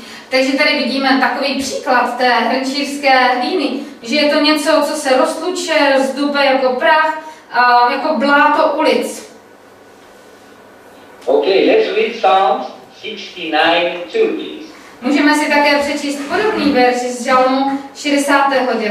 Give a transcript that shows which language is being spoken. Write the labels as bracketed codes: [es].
[cs] Takže tady vidíme takový příklad té hrnčířské hlíny, že je to něco, co se rozlučuje, rozdupe jako prach, jako bláto ulic. [en] Okay, let's read Psalms 69:2, please. [cs] Můžeme si také přečíst podobný verš z Žalmu 69.